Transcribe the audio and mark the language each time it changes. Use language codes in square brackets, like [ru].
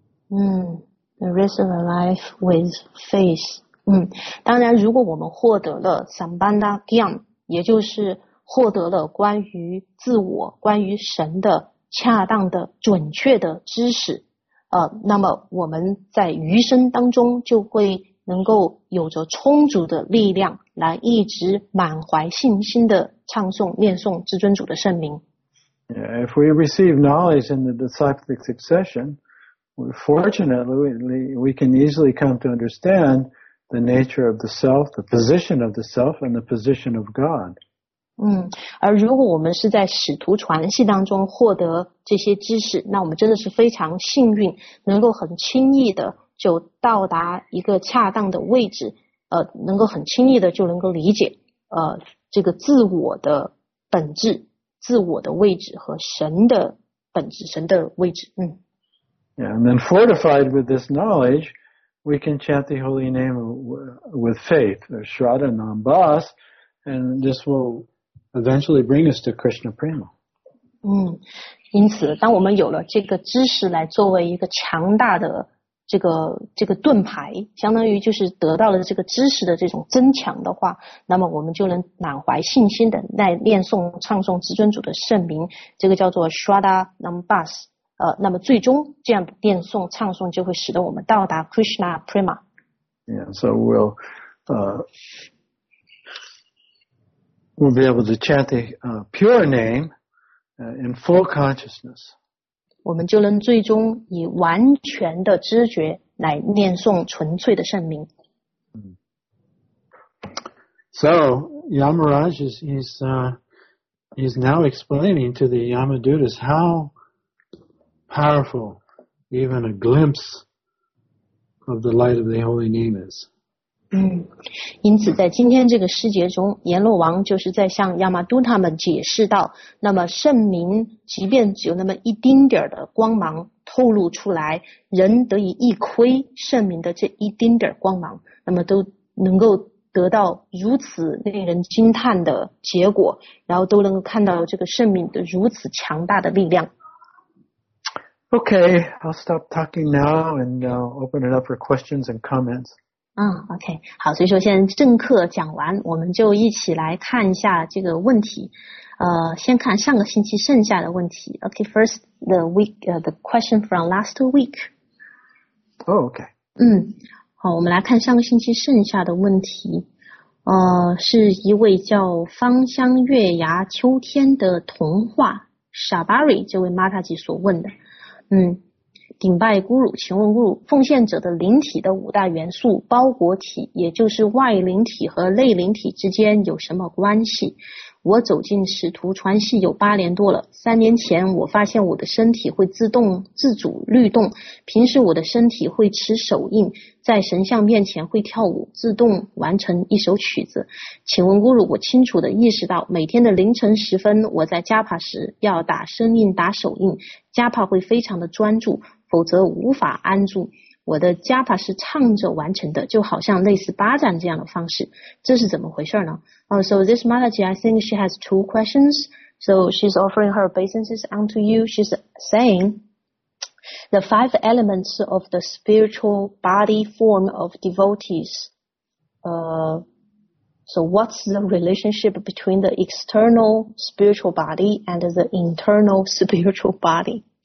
[en] Mm, the rest of our life with faith. [zh] 当然如果我们获得了 Sambandhagya, 也就是获得了关于自我关于神的恰当的准确的知识那么我们在余生当中就会能够有着充足的力量来一直满怀信心的唱诵念诵至尊主的圣名。 [en] If we receive knowledge in the disciplic succession, fortunately, we can easily come to understand the nature of the self, the position of the self, and the position of God. [zh] 而如果我们是在使徒传系当中获得这些知识，那我们真的是非常幸运，能够很轻易的就到达一个恰当的位置，能够很轻易的就能够理解，这个自我的本质。自我的位置和神的本质，神的位置。 [en] Yeah, and then fortified with this knowledge, we can chant the holy name with faith, Shraddha Nam Bas, and this will eventually bring us to Krishna Prema. [zh] 因此当我们有了这个知识来作为一个强大的这个盾牌，相当于就是得到了这个知识的这种增强的话，那么我们就能满怀信心的来念诵唱诵至尊主的圣名，这个叫做 Shraddha Nam Bas。那么最终这样的念诵唱诵就会使得我们到达 Krishna Prema。 [en] Yeah, so we'll be able to chant the pure name in full consciousness. [zh] 我们就能最终以完全的知觉来念诵纯粹的圣名。 [en] So, Yamaraj is now explaining to the Yamadutas how powerful even a glimpse of the light of the holy name is. [zh] 因此在今天这个师节中，阎罗王就是在向亚玛都他们解释到，那么圣名即便只有那么一丁点的光芒透露出来，人得以一窥圣名的这一丁点光芒，那么都能够得到如此令人惊叹的结果，然后都能够看到这个圣名的如此强大的力量。 [en] Okay, I'll stop talking now and open it up for questions and comments. [zh] OK, 好，所以说现在正课讲完，我们就一起来看一下这个问题。先看上个星期剩下的问题。 [en] OK, first the week, the question from last week. Oh, OK. [zh] 好，我们来看上个星期剩下的问题。是一位叫芳香月牙秋天的童话 Shabari 这位 Mataji 所问的。顶拜咕噜，请问咕噜，奉献者的灵体的五大元素包裹体，也就是外灵体和内灵体之间有什么关系？我走进使徒传系有八年多了，三年前我发现我的身体会自动自主律动，平时我的身体会持手印，在神像面前会跳舞，自动完成一首曲子。请问咕噜，我清楚地意识到每天的凌晨时分我在加帕时要打声印打手印，加帕会非常的专注，否则无法安住。我的加帕是唱着完成的，就好像类似巴掌这样的方式，这是怎么回事呢？ [en] So this Mataji, I think she has two questions. So she's offering her obeisances unto you. She's saying the five elements of the spiritual body form of devotees. So what's the relationship between the external spiritual body and the internal spiritual body?